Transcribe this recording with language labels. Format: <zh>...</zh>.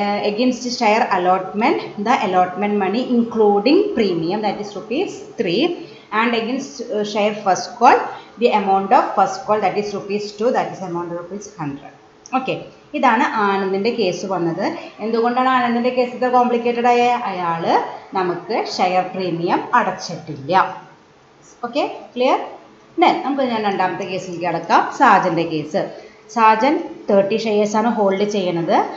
<en>Against share allotment, the allotment money including premium, that is 3 rupees. And against share first call, the amount of first call, that is rupees 2, that is amount of rupees 100.</en> <ml>Okay, ഇതാണ് ആനന്ദിൻ്റെ case വന്നത്. എന്തുകൊണ്ടാണ് ആനന്ദിൻ്റെ case ഇത്ര complicated ആയ? അയാൾ നമുക്ക് share premium അടച്ചിട്ടില്ല. Okay, clear? രണ്ടാമത്തെ കേസ് കിടക്കാം, സാജൻ്റെ കേസ്. സാജൻ 30 ഷെയർസ് ആണ് ഹോൾഡ് ചെയ്യുന്നത്.</ml>